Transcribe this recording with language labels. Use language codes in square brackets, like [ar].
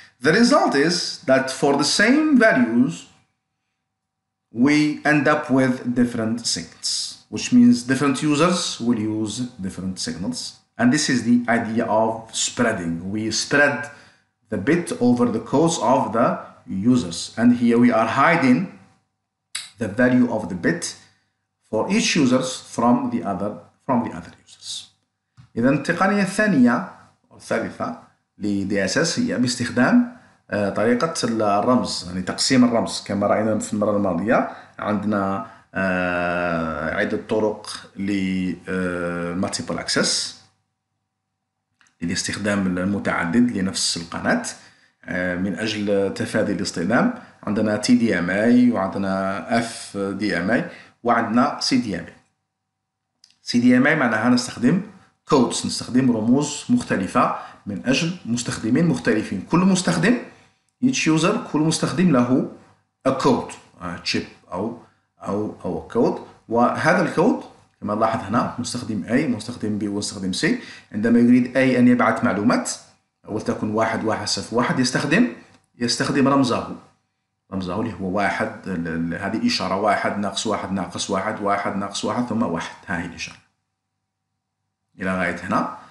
[en] The result is that for the same values, we end up with different signals, which means different users will use different signals. And this is the idea of spreading. We spread the bit over the codes of the users. And here we are hiding the value of the bit for each user from the other users. [ar] إذن التقنية الثانية أو الثالثة للDSS هي باستخدام طريقة الرمز، يعني تقسيم الرمز كما رأينا في المرة الماضية. عندنا عدة طرق لمالتيبل أكسس للاستخدام المتعدد لنفس القناة من أجل تفادي الاصطدام. عندنا TDMA وعندنا FDMA وعندنا CDMA. CDMA معناها نستخدم codes، نستخدم رموز مختلفة من أجل مستخدمين مختلفين. كل مستخدم [en] each user [ar] كل مستخدم له [en] a code chip [ar] أو a code. وهذا الكود كما لاحظ هنا مستخدم A مستخدم B ومستخدم C. عندما يريد A أن يبعث معلومات ولتكن 1101 يستخدم رمزه اللي هو 1، هذه إشارة 1 ناقص 1 ناقص 1 1 ناقص 1 ثم 1، هذه الإشارة إلى غاية هنا.